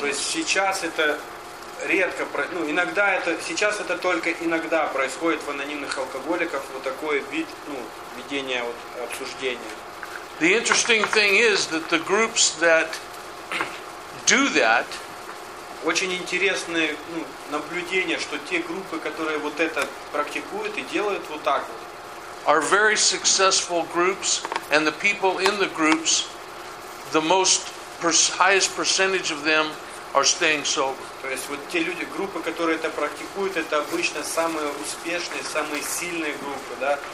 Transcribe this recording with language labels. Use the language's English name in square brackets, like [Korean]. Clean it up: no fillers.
[Russian] То есть сейчас это редко, ну, иногда это, сейчас это только иногда происходит в анонимных алкоголиках, вот такой вид, ну, ведение вот обсуждения. [English] The interesting thing is that the groups that do that. [Russian] Очень интересное, ну, наблюдение, что те группы, которые вот это практикуют и делают вот так вот. [English] Are very successful groups, and the people in the groups, the most highest percentage of them are staying sober. [Russian] То есть вот те люди, группы, которые это практикуют, это обычно самые успешные, самые сильные группы, да?